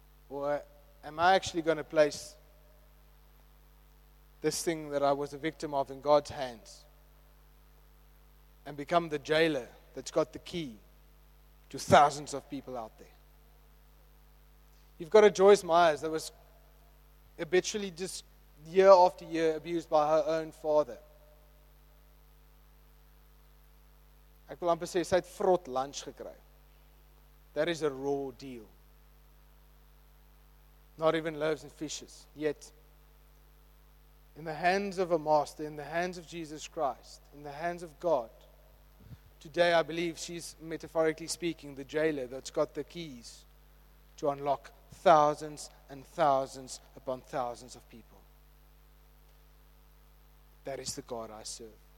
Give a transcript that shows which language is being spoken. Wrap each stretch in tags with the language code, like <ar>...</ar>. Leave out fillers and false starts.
<en>Or am I actually going to place this thing that I was a victim of in God's hands and become the jailer that's got the key to thousands of people out there? You've got a Joyce Myers that was habitually just year after year abused by her own father.</en> <af>Ek wil amper sê, sy het vrot lunch gekry.</af> <en>That is a raw deal. Not even loaves and fishes. Yet, in the hands of a master, in the hands of Jesus Christ, in the hands of God, today, I believe she's, metaphorically speaking, the jailer that's got the keys to unlock thousands and thousands upon thousands of people. That is the God I serve.</en>